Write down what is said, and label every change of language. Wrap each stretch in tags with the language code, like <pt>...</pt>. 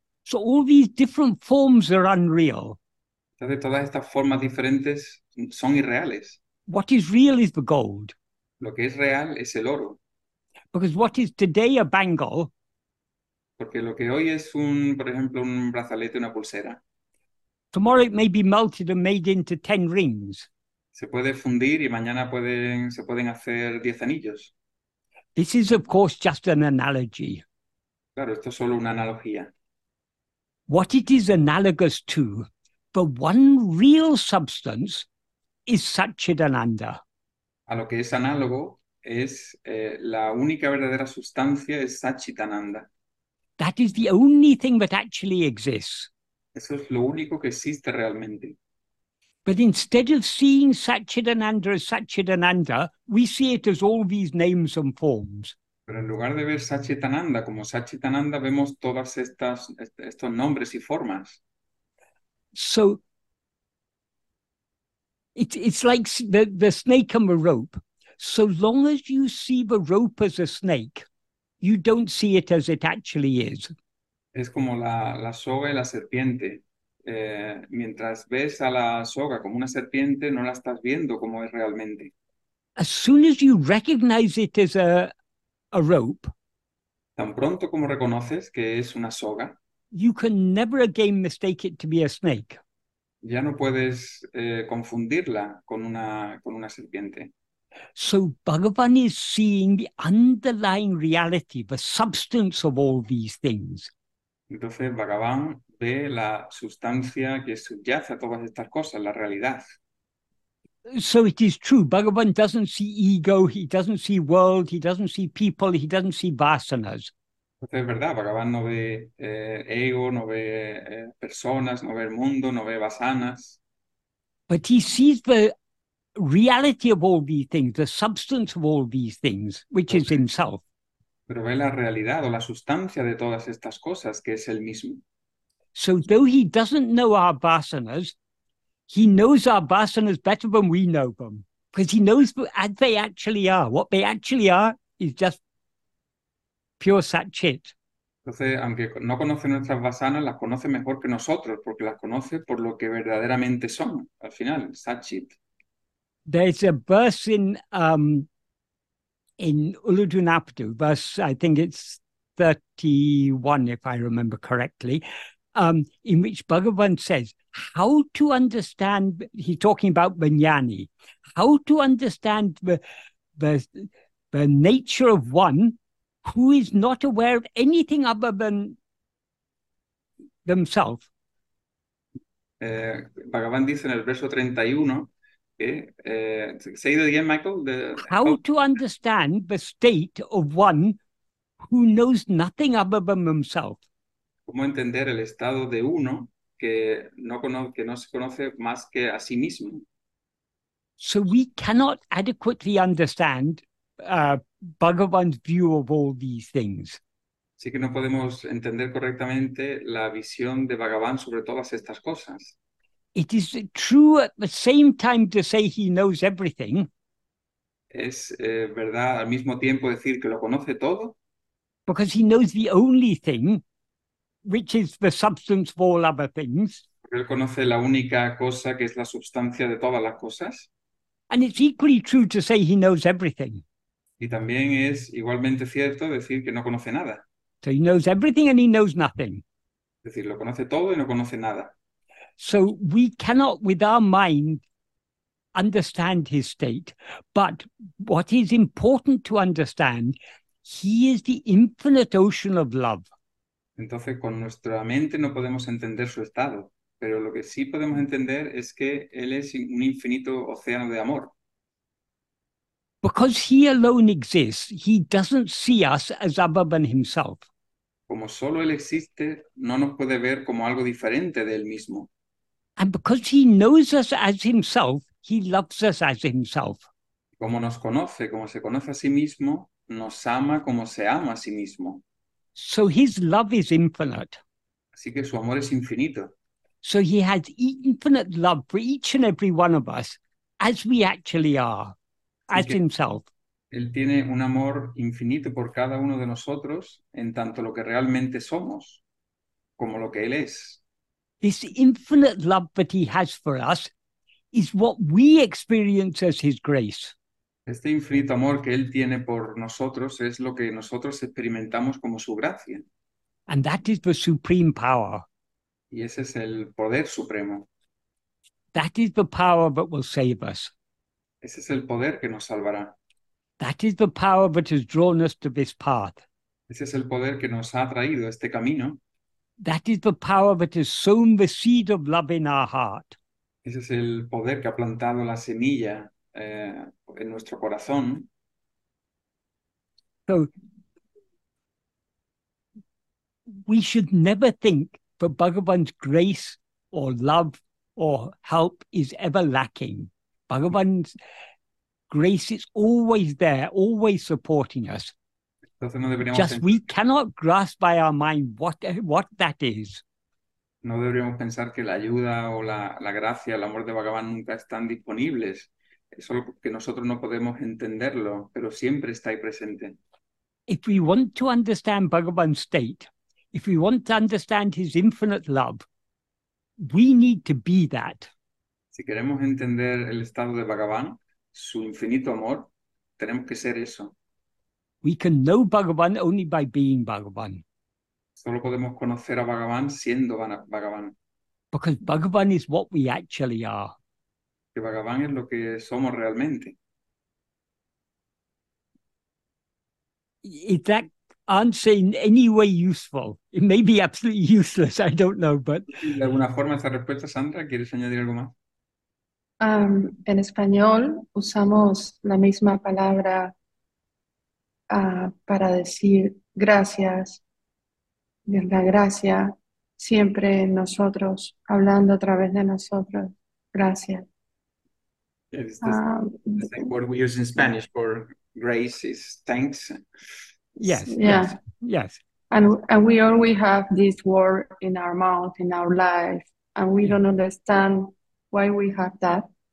<en>So all these different forms are unreal.</en> <es>Entonces todas estas formas diferentes son irreales.</es> <en>What is real is the gold.</en> <es>Lo que es real es el oro.</es> <en>Because what is today a bangle?</en> <es>Porque lo que hoy es por ejemplo, un brazalete, una pulsera.</es> <en>Tomorrow it may be melted and made into 10 rings.</en> <es>Se puede fundir y mañana se pueden hacer 10 anillos.</es> <en>This is, of course, just an analogy.</en> <es>Claro, esto es solo una analogía.</es> <en>What it is analogous to, the one real substance, is Satchidananda.</en> <es>A lo que es análogo es la única verdadera sustancia es Satchidananda.</es> <en>That is the only thing that actually exists.</en> <es>Eso es lo único que existe realmente.</es> <en>But instead of seeing Satchidananda as Satchidananda, we see it as all these names and forms.</en> <es>Pero en lugar de ver Satchidananda como Satchidananda, vemos todas estos nombres y formas.</es> <en>So it's like the snake and the rope. So long as you see the rope as a snake, you don't see it as it actually is.</en> <es>Es como la soga y la serpiente. Mientras ves a la soga como una serpiente, no la estás viendo como es realmente.</es> <en>As soon as you recognize it as a rope,</en> <es>tan pronto como reconoces que es una soga,</es> <en>You can never again mistake it to be a snake.</en> <es>Ya no puedes confundirla con una serpiente.</es> <en>So Bhagavan is seeing the underlying reality, the substance of all these things.</en> <es>Entonces Bhagavan ve la sustancia que subyace a todas estas cosas, la realidad.</es> <en>So it is true, Bhagavan doesn't see ego, he doesn't see world, he doesn't see people, he doesn't see vasanas.</en> <es>Entonces es verdad, Bhagavan no ve ego, no ve personas, no ve el mundo, no ve vasanas.</es> <en>But he sees the reality of all these things, the substance of all these things, which is himself.</en> <es>Pero ve la realidad o la sustancia de todas estas cosas, que es el mismo.</es> <en>So though he doesn't know our vasanas, he knows our vasanas better than we know them, because he knows what they actually are. What they actually are is just pure satchit.</en> <es>Entonces, aunque no conoce nuestras vasanas, las conoce mejor que nosotros, porque las conoce por lo que verdaderamente son, al final, satchit.</es> <en>There's a verse in Uludunapadu, verse, I think it's 31, if I remember correctly, in which Bhagavan says, how to understand, he's talking about Vijnani, how to understand the nature of one who is not aware of anything other than themselves.</en> <es>Bhagavan dice en el verso 31,</es> <en>say it again, Michael. How to understand the state of one who knows nothing other than himself.</en> <es>¿Cómo entender el estado de uno que no se conoce más que a sí mismo?</es> <en>So we cannot adequately understand Bhagavan's view of all these things.</en> <es>Así que no podemos entender correctamente la visión de Bhagavan sobre todas estas cosas.</es> <en>It is true at the same time to say he knows everything.</en> <es>Es verdad al mismo tiempo decir que lo conoce todo.</es> <en>Because he knows the only thing, which is the substance of all other things.</en> <es>Porque él conoce la única cosa que es la sustancia de todas las cosas.</es> <en>And it's equally true to say he knows everything.</en> <es>Y también es igualmente cierto decir que no conoce nada.</es> <en>So he knows everything and he knows nothing.</en> <es>Es decir, lo conoce todo y no conoce nada.</es> <en>So we cannot, with our mind, understand his state. But what is important to understand, he is the infinite ocean of love.</en> <es>Entonces, con nuestra mente no podemos entender su estado. Pero lo que sí podemos entender es que él es un infinito océano de amor.</es> <en>Because he alone exists, he doesn't see us as other than himself.</en> <es>Como solo él existe, no nos puede ver como algo diferente de él mismo.</es> <en>And because he knows us as himself, he loves us as himself.</en> <es>Como nos conoce, como se conoce a sí mismo, nos ama como se ama a sí mismo.</es> <en>So his love is infinite.</en> <es>Así que su amor es infinito.</es> <en>So he has infinite love for each and every one of us, as we actually are, as himself.</en> <es>Él tiene un amor infinito por cada uno de nosotros, en tanto lo que realmente somos, como lo que él es.</es> <en>This infinite love that he has for us is what we experience as his grace.</en> <es>Este infinito amor que él tiene por nosotros es lo que nosotros experimentamos como su gracia.</es> <en>And that is the supreme power.</en> <es>Y ese es el poder supremo.</es> <en>That is the power that will save us.</en> <es>Ese es el poder que nos salvará.</es> <en>That is the power that has drawn us to this path.</en> <es>Ese es el poder que nos ha traído este camino.</es> <en>That is the power that has sown the seed of love in our heart.</en> <es>Ese es el poder que ha plantado la semilla en nuestro corazón.</es> <en>So, we should never think that Bhagavan's grace or love or help is ever lacking. Bhagavan's grace is always there, always supporting us.</en> <es>Entonces no deberíamos</es> <en>just</en> <es>pensar,</es> <en>we cannot grasp by our mind what that is.</en> <es>No deberíamos pensar que la ayuda o la gracia, el amor de Bhagavan nunca están disponibles. Es solo que nosotros no podemos entenderlo, pero siempre está ahí presente.</es> <en>If we want to understand Bhagavan's state, if we want to understand his infinite love, we need to be that.</en> <es>Si queremos entender el estado de Bhagavan, su infinito amor, tenemos que ser eso.</es> <en>We can know Bhagavan only by being Bhagavan.</en> <es>Solo podemos conocer a Bhagavan siendo Bhagavan.</es> <en>Because Bhagavan is what we actually are.</en> <es>Que Bhagavan es lo que somos realmente.</es> <en>Is that answer in any way useful? It may be absolutely useless, I don't know, but...</en> <es>¿De alguna forma esa respuesta, Sandra? ¿Quieres añadir algo más? En español usamos la misma palabra para decir gracias, la gracia, siempre nosotros, hablando a través de nosotros, gracias.</es> <en>I think what we use in Spanish for grace is thanks. Yes. And we always have this word in our mouth, in our life, and we don't understand why we have that.</en>